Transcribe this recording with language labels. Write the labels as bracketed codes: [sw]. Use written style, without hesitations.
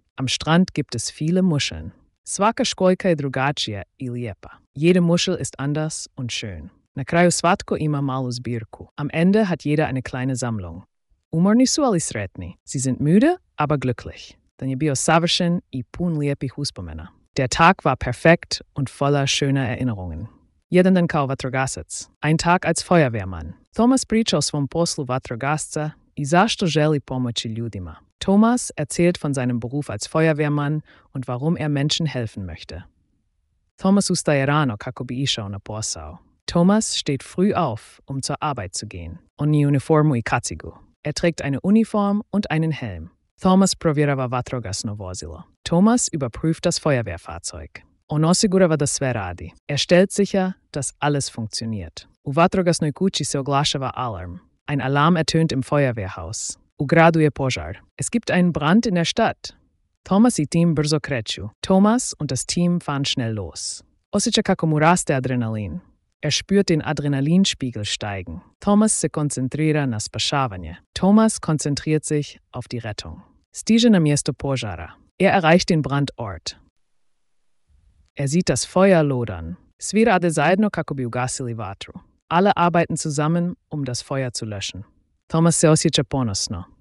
[de] Am Strand gibt es viele Muscheln. [hr] Svaka škojka je drugačija i lijepa. [de] Jede Muschel ist anders und schön. [hr] Na kraju svatko ima malu zbirku. [de] Am Ende hat jeder eine kleine Sammlung. [hr] Umorni su, ali sretni. [de] Sie sind müde, aber glücklich. [hr] Dan je bio savršen i pun lijepih uspomena. [de] Der Tag war perfekt und voller schöner Erinnerungen. [hr] Jedan dan kao vatrogasac. [de] Ein Tag als Feuerwehrmann. [hr] Thomas priča o svom poslu vatrogasca i zašto želi pomoći ljudima. [de] Thomas erzählt von seinem Beruf als Feuerwehrmann und warum Menschen helfen möchte. [hr] Thomas ustaje rano kako bi išao na posao. [de] Thomas steht früh auf, zur Arbeit zu gehen. [hr] Oni uniformu i kacigu. [de] Trägt eine Uniform und einen Helm. [hr] Thomas provjerava vatrogasno vozilo. [de] Thomas überprüft das Feuerwehrfahrzeug. [hr] On osigurava da sve radi. [de] Stellt sicher, dass alles funktioniert. [hr] U vatrogasnoj kući se oglašava alarm. [de] Ein Alarm ertönt im Feuerwehrhaus. [hr] U gradu je požar. [de] Es gibt einen Brand in der Stadt. [hr] Thomas i team brzo kreću. [de] Thomas und das Team fahren schnell los. [hr] Osjeća kako mu raste adrenalin. [de] Spürt den Adrenalinspiegel steigen. [hr] Thomas se koncentrira na spašavanje. [de] Thomas konzentriert sich auf die Rettung. [hr] Stiže na mjesto požara. [de] Erreicht den Brandort. Sieht das Feuer lodern. [hr] Svi rade zajedno kako bi ugasili vatru. [de] Alle arbeiten zusammen, das Feuer zu löschen. [hr] Thomas se osjeća ponosno.